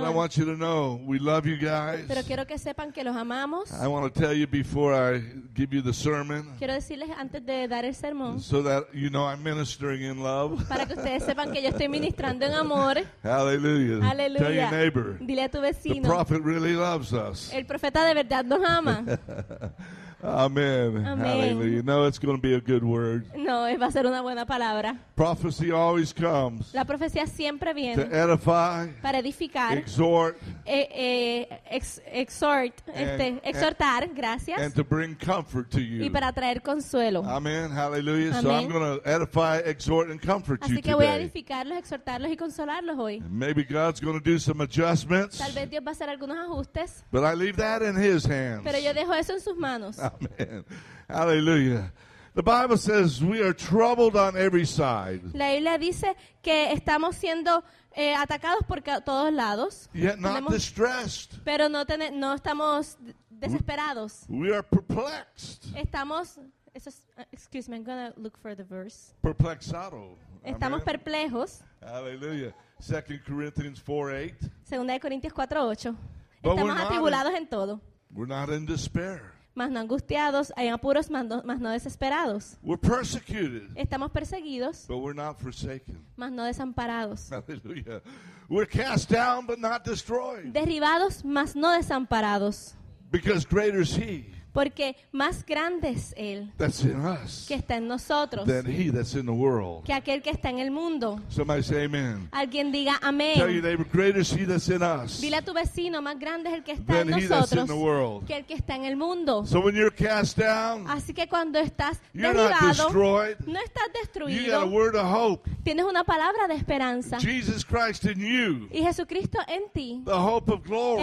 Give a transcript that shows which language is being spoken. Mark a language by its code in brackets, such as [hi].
[en] But I want you to know, we love you guys. [es] Pero quiero que sepan que los amamos. [en] I want to tell you before I give you the sermon. [es] Quiero decirles antes de dar el sermón. [en] So that you know I'm ministering in love. [es] Para que ustedes sepan que yo estoy ministrando en amor. [en] Hallelujah. Hallelujah. Tell your neighbor. [es] Dile a tu vecino. [en] The prophet really loves us. [es] El profeta de verdad nos ama. [en] Amen. Amen. Hallelujah. No, it's going to be a good word. [es] No, va a ser una buena palabra. [en] Prophecy always comes. [es] La profecía siempre viene. [en] To edify. [es] Para edificar. [en] Exhort. [es] Exhortar. Gracias. [en] And to bring comfort to you. [es] Y para traer consuelo. [en] Amen. Hallelujah. Amen. So I'm going to edify, exhort, and comfort [es] así [en] you [es] que [en] today. [es] Voy a edificarlos, exhortarlos y consolarlos hoy. [en] Maybe God's going to do some adjustments. [es] Tal vez Dios va a hacer algunos ajustes. [en] But I leave that in His hands. [es] Pero yo dejo eso en sus manos. [en] Amen. Hallelujah. The Bible says we are troubled on every side. [es] La Biblia dice que estamos siendo atacados por todos lados. [en] Yet not distressed. [es] Pero no estamos desesperados. [en] We are perplexed. [es] Estamos, [en] excuse me, I'm going to look for the verse. [es] Perplexado. Estamos amen. Perplejos. [en] Hallelujah. 2 Corinthians 4:8. [es] Segunda de Corintios 4:8. Estamos atribulados en todo. [en] We're not in despair. [es] Mas no angustiados, hay apuros, mas no desesperados. [en] We're persecuted. [es] Estamos perseguidos. [en] But we're not forsaken. [es] Mas no desamparados. [en] Hallelujah. We're cast down, but not destroyed. [es] Derribados, mas no desamparados. [en] Because greater is He. [es] Porque más grande es Él [en] that's in us [es] que está en nosotros [en] than he that's in the world. [es] Que aquel que está en el mundo. [en] Somebody say amen. [es] Alguien diga amén. [en] Tell your neighbor, greater is he that's in us. [es] Dile a tu vecino, más grande es el que está en nosotros [en] in the world. [es] Que el que está en el mundo. [en] So when you're cast down, [es] así que cuando estás derribado, no estás destruido. [en] You got a word of hope. [es] Tienes una palabra de esperanza. [en] Jesus Christ in you. [es] Y Jesucristo en ti. [en] The hope of glory.